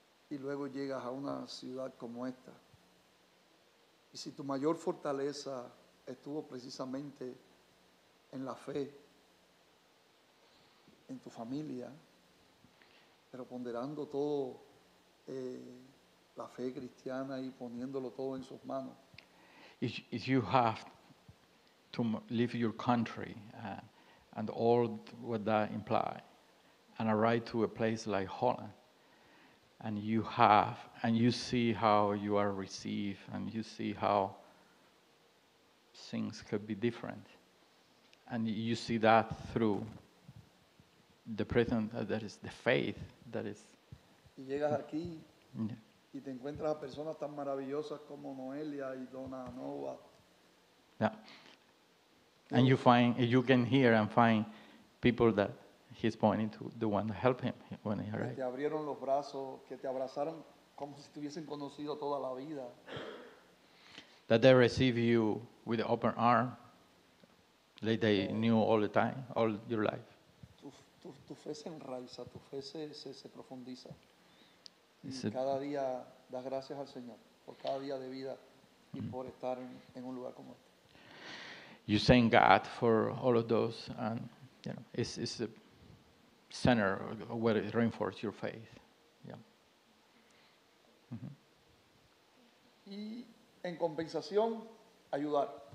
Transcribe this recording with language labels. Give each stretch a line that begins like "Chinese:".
Spanish: Y luego llegas a una ciudad como esta. Y si tu mayor fortaleza estuvo precisamente en la fe, en tu familia, pero ponderando todo la fe cristiana y poniéndolo todo en sus manos.
English: If you have to leave your country and all what that implies, and arrive to a place like Holland, and you see how you are received, and you see how things could be different, and you see that through the present, that is the faith, that is.
Spanish: Y llegas aquí, y te encuentras a personas tan maravillosas como Noelia y Donna Nova.
English: Yeah. And you find, you can hear and find people that he's pointing to, the one that helped him when he arrived.
Spanish: Que te abrieron los brazos, que te abrazaron como si te hubiesen conocido toda la vida.
English: That they receive you with the open arm, like they knew all the time, all your life.
Spanish: Tu fe se enraiza, tu fe se profundiza. Y cada día das gracias al Señor por cada día de vida y por estar en un lugar como este.
English: You thank God for all of those, and you know, it's the center where it reinforces your faith. Yeah.
Spanish: Mm-hmm. Y en compensación, ayudar.